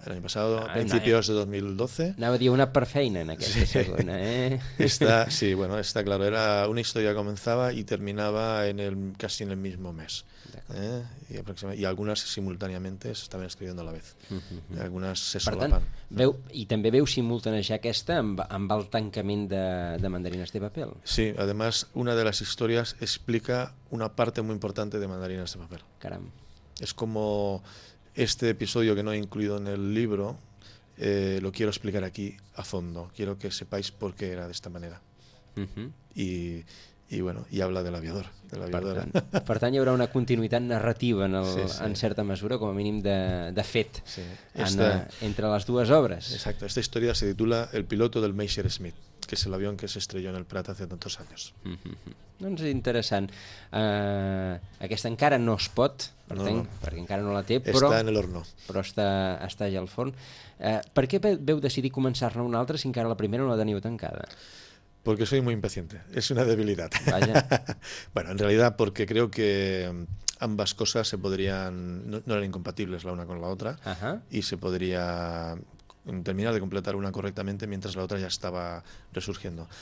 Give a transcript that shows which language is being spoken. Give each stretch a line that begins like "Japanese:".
Spanish: El año pasado, a principios de 2012.
Catalan: Anava a dir una per feina en aquesta segona, eh?
Spanish: Esta, claro, era una historia que comenzaba y terminaba casi en el mismo mes. Y algunas simultáneamente se estaban escribiendo a la vez. Algunas se solapan.
Catalan: Per tant, i també veu simultanejar aquesta amb el tancament de Mandarines de Papel.
Spanish: Sí, además, una de las historias explica una parte muy importante de Mandarines de Papel.
Catalan: Caram.
Spanish: Es como... Este episodio que no he incluido en el libro lo quiero explicar aquí a fondo. Quiero que sepáis por qué era de esta manera. Uh-huh. Y habla de l'aviador.
Catalan: Per tant, hi haurà una continuïtat narrativa en certa mesura, com a mínim de fet, entre les dues obres.
Spanish: Exacto. Esta historia se titula El piloto del Messerschmitt, que es el avión que se estrelló en el Prat hace tantos años.
Catalan: Doncs interessant. Aquesta encara no es pot, perquè encara no la té, però
Spanish: està en el horno.
Catalan: Però està ja al forn. Per què veu decidir començar-ne una altra si encara la primera no la teniu tancada?
Spanish: Porque soy muy impaciente. Es una debilitat.
Catalan: Vaja.
Spanish: Bueno, en realidad porque creo que ambas cosas se podrían... No eran incompatibles la una con la otra. Ajá. Y se podría... terminar de completar una correctamente mientras la otra ya estaba resurgiendo.